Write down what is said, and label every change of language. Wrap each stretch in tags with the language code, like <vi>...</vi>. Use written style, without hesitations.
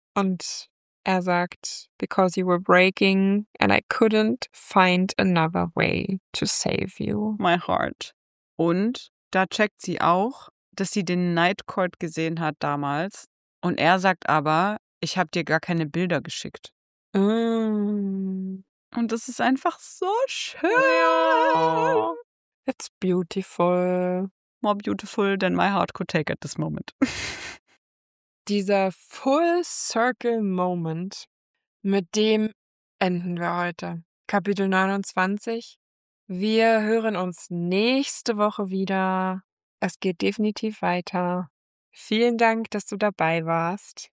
<de>Und er sagt,</de> <en>because you were breaking and I couldn't find another way to save you. My heart.</en> <de>Und da checkt sie auch, dass sie den Night Court gesehen hat damals. Und er sagt aber, ich habe dir gar keine Bilder geschickt. Und das ist einfach so schön.</de> <en>Oh, it's beautiful. More beautiful than my heart could take at this moment.</en> <de>Dieser</de> <en>full circle moment,</en> <de>mit dem enden wir heute. Kapitel 29. Wir hören uns nächste Woche wieder. Es geht definitiv weiter. Vielen Dank, dass du dabei warst.</de>